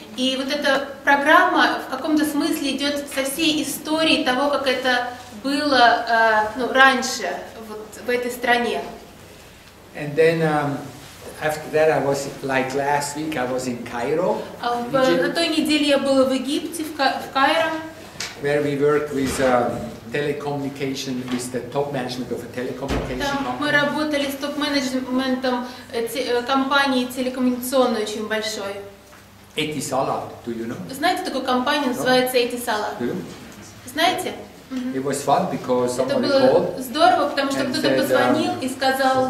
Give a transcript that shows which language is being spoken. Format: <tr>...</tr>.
<ru>И вот эта программа в каком-то смысле идет со всей историей того, как это было ну, раньше вот, в этой стране.</ru> <en>And then, after that I was, like last week, I was in Cairo.</en> <ru>На той неделе я была в Египте, в Каире.</ru> <en>Where we worked with telecommunication, with the top management of a telecommunication company.</en> <ru>Там мы работали с топ-менеджментом компании телекоммуникационной очень большой.</ru> <en>Etisalat, do you know?</en> <ru>Знаете такую компанию, называется Etisalat? Знаете?</ru> <en>It was fun because somebody called.</en> <ru>Это было здорово, потому что кто-то позвонил и сказал.</ru>